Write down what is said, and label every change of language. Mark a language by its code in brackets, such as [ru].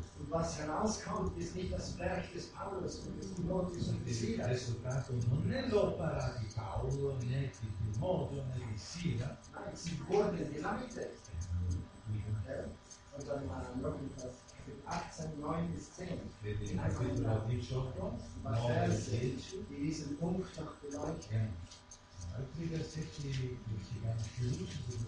[de] Was herauskommt, ist nicht das Werk des Paulus und des Timotheus und des Silas. [it] Il risultato non è l'opera di Paolo, né di Timoteo, né di Sila. [de] Nein, sie wurden geleitet. Und dann mal noch etwas. 18, 9 bis 10. In Kapitel 18, 9 bis 10. Die diesen Punkt noch beleuchten. Kapitel 16, durch die ganze Kirche.